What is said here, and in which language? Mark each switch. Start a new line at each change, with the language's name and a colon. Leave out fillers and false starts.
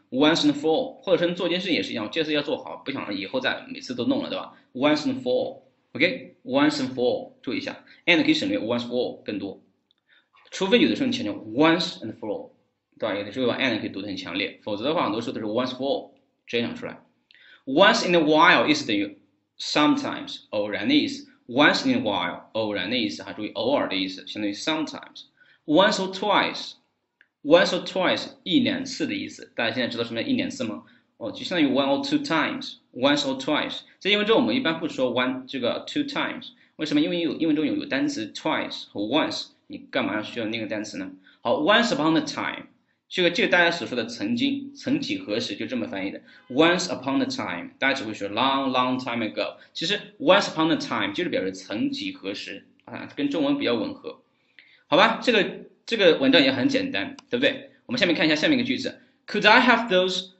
English: Once and for all，
Chinese: 或者说做件事也是一样，这次要做好，不想以后再每次都弄了，对吧 ？Once and for all，OK，Once and for all， 注意一下 ，and 可以省略
English: once for all
Chinese: 更多，除非有的时候你强调
English: once and for all，
Chinese: 对吧？有的时候把 and 可以读得很强烈，否则的话很多时候都是 once for all 直接讲出来。
English: Once in a while
Chinese: 意思等于 sometimes 偶然的意思。
English: Once in a while
Chinese: 偶然的意思，还注意偶尔的意思，相当于 sometimes。
English: Once or twice， once or twice
Chinese: 一两次的意思。大家现在知道什么叫一两次吗？哦，就相当于
English: one or two times， once or twice。
Chinese: 在英文中我们一般不说 one 这个 two times， 为什么？因为英文中有单词 twice 和 once， 你干嘛要需要那个单词呢？好 ，
English: once upon a time，
Chinese: 这个大家所说的曾经，曾几何时就这么翻译的。
English: Once upon a time，
Chinese: 大家只会说
English: long long time ago。
Chinese: 其实
English: once upon a time
Chinese: 就是表示曾几何时啊，跟中文比较吻合，好吧？这个文章也很简单，对不对？我们下面看一下下面一个句子：
English: Could I have those?